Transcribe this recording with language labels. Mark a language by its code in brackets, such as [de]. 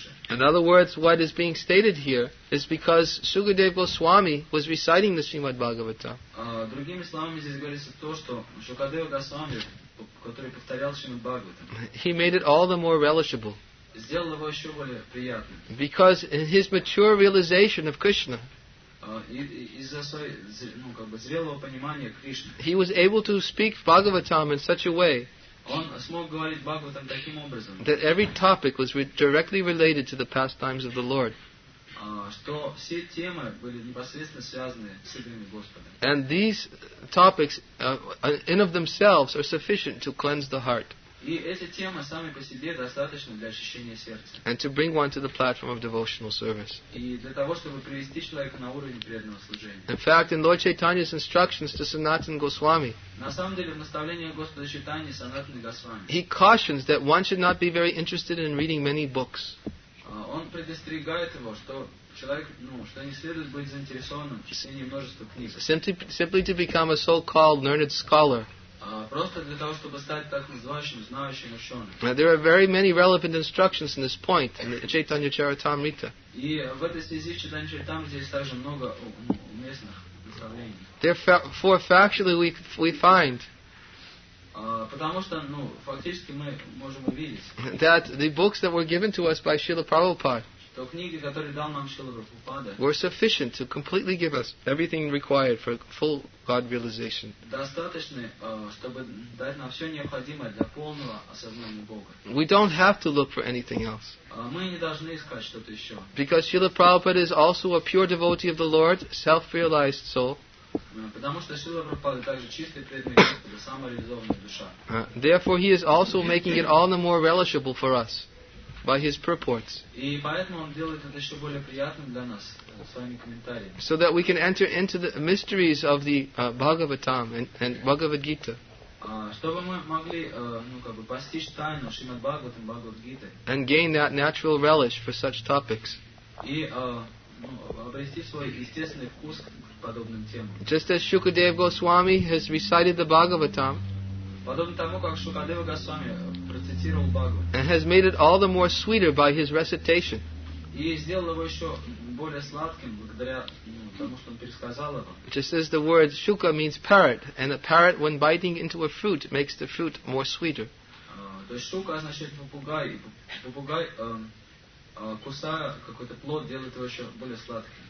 [en] In other words, what is being stated here is because Sukadeva Goswami was reciting the Srimad Bhagavatam. [ru] Другими словами, здесь говорится то, что Шукадева Госвами, который повторял Шримад Бхагаватам, [en] he made it all the more relishable. [ru] Сделал его еще более приятным. [en] Because in his mature realization of Krishna, [ru] из-за своего, зрелого понимания Кришны, [en] he was able to speak Bhagavatam in such a way [ru] Он смог говорить Бхагаватам таким образом, [en] that every topic was directly related to the pastimes of the Lord. [ru] Что все темы были непосредственно связаны с играми Господа. [en] And these topics in of themselves are sufficient to cleanse the heart. [ru] И эти темы сами по себе достаточно для очищения сердца. [en] And to bring one to the platform of devotional service. [ru] И для того, чтобы привести человека на уровень преданного служения. [en] In fact, in Lord Chaitanya's instructions to Sanatana Goswami, [ru] на самом деле, в наставлении Господа Чайтаньи Санатаны Госвами, [en] he cautions that one should not be very interested in reading many books. [ru] Он предостерегает его, что человек, что не следует быть заинтересованным в чтении множества книг. [en] Simply to become a so-called learned scholar. [ru] Просто для того, чтобы стать так называемым знающим ученым. [en] There are very many relevant instructions in this point in the Chaitanya Charitamrita. [ru] И в этой связи в Чайтанья Чаритамрите здесь также много уместных наставлений. [en] Therefore, factually we find [ru] потому что, фактически мы можем увидеть [en] that the books that were given to us by Srila Prabhupada [ru] то книги, которые дал нам Шрила Прабхупада, [en] were sufficient to completely give us everything required for full God realization. [ru] Достаточно, чтобы дать нам все необходимое для полного осознания Бога. [en] We don't have to look for anything else. [ru] Мы не должны искать что-то еще. [en] Because Srila Prabhupada is also a pure devotee of the Lord, self-realized soul. [ru] Потому что Шрила Прабхупада также чистый преданный Господа, самореализованная душа. [en] Therefore, he is also making it all the more relishable for us. By his purports. [ru] И поэтому он делает это еще более приятным для нас своими комментариями. [en] So that we can enter into the mysteries of the Bhagavatam and Bhagavad Gita. [ru] Чтобы мы могли постичь тайну Шримад Бхагаватам, Бхагавад Гиты. [en] And gain that natural relish for such topics. [ru] И обрести свой естественный вкус к подобным темам. [en] Just as Shukadeva Goswami has recited the Bhagavatam. [ru] Подобно тому, как Шукадева Госвами процитировал Бхагавату. [en] And has made it all the more sweeter by his recitation. [ru] И сделал его еще более сладким, благодаря тому, что он пересказал его. [en] Just as the word Shuka means parrot, and a parrot, when biting into a fruit, makes the fruit more sweeter. [ru] То есть Шука означает попугай, и попугай, кусая какой-то плод, делает его еще более сладким.